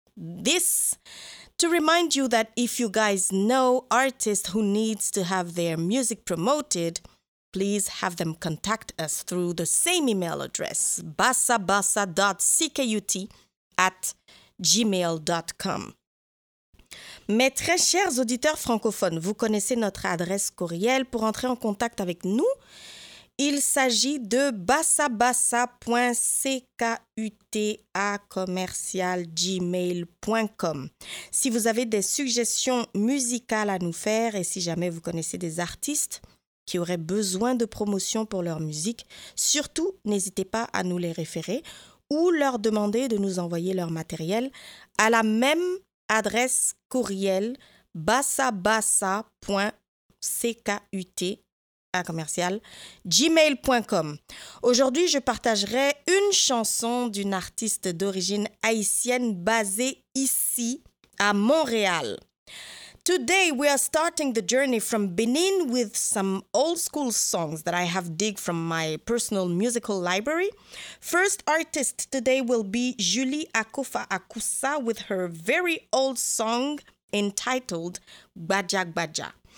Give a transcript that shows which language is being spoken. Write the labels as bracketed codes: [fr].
[en] This to remind you that if you guys know artists who needs to have their music promoted, please have them contact us through the same email address, bassabassa.ckut@gmail.com. [fr] Mes très chers auditeurs francophones, vous connaissez notre adresse courriel pour entrer en contact avec nous. Il s'agit de bassabassa.ckut@gmail.com. Si vous avez des suggestions musicales à nous faire et si jamais vous connaissez des artistes qui auraient besoin de promotion pour leur musique, surtout n'hésitez pas à nous les référer ou leur demander de nous envoyer leur matériel à la même adresse courriel bassabassa.ckut@gmail.com. Aujourd'hui, je partagerai une chanson d'une artiste d'origine haïtienne basée ici à Montréal. [en] Today, we are starting the journey from Benin with some old school songs that I have digged from my personal musical library. First artist today will be Julie Akofa Akusa with her very old song entitled Gbaja Gbaja.